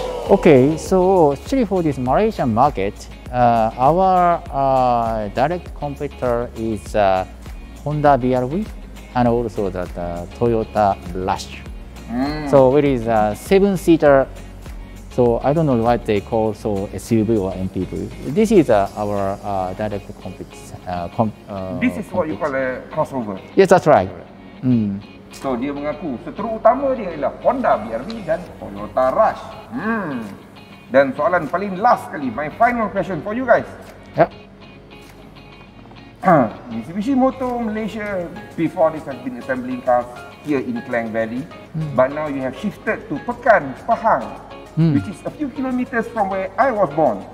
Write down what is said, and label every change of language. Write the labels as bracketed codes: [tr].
[en] Okay, so actually for this Malaysian market, our direct competitor is Honda BRV and also the Toyota Rush. So it is a 7-seater. So I don't know what they call so SUV or MPV. This is our direct compete. This is what you call a crossover. Yes, that's right. [ms] So dia mengaku seteru utama dia ialah Honda BRV dan Toyota Rush. Dan soalan paling last kali, [en] my final question for you guys. Yeah. Mitsubishi Motor Malaysia before this has been assembling cars here in Klang Valley, but now you have shifted to Pekan, Pahang. Which is a few kilometers from where I was born.